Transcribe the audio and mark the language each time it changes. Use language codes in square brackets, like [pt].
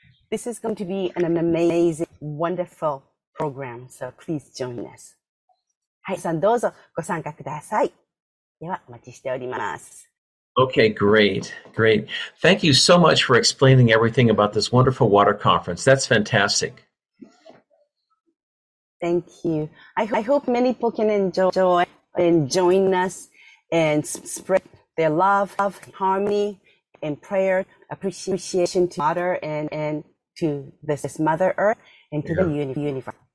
[en] This is going to be an amazing, wonderful program. So please join us. [ja] はい、さんどうぞご参加ください。ではお待ちしております。 [en] Okay, great. Thank you so much for explaining everything about this wonderful water conference. That's fantastic. Thank you. I hope many people can enjoy and join us and spread their love, harmony, and prayer, appreciation to water and to this Mother Earth and to the universe.